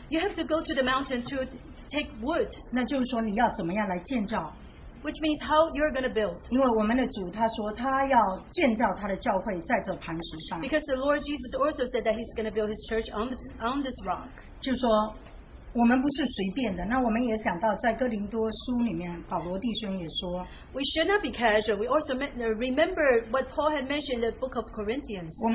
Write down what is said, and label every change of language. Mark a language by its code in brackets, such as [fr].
[en] You have to go to the mountain to take wood. [zh] 那就是说你要怎么样来建造。 [en] Which means how you're going to build. [zh] 因为我们的主他说他要建造他的教会在这磐石上。 [en] Because the Lord Jesus also said that he's going to build his church on this rock. [zh] 就说 我们不是随便的，那我们也想到在哥林多书里面，保罗弟兄也说， [en] We should not be casual. We also remember what Paul had mentioned in the book of Corinthians.